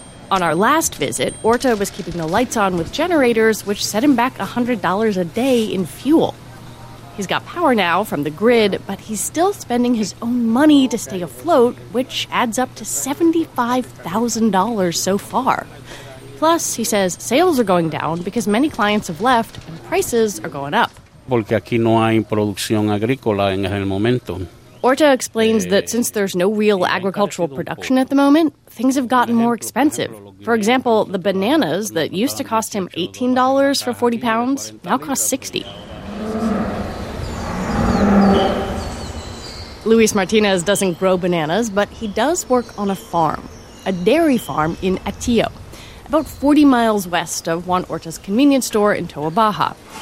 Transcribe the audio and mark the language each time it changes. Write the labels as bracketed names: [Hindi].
[English] On our last visit, Horta was keeping the lights on with generators, which set him back $100 a day in fuel. He's got power now from the grid, but he's still spending his own money to stay afloat, which adds up to $75,000 so far. Plus, he says sales are going down because many clients have left and prices are going up. [Spanish] Porque aquí no hay producción agrícola en el momento. [English] Horta explains that since there's no real agricultural production at the moment, things have gotten more expensive. For example, the bananas that used to cost him $18 for 40 pounds now cost $60. Luis Martinez doesn't grow bananas, but he does work on a farm, a dairy farm in Atillo, about 40 miles west of Juan Horta's convenience store in Toa Baja.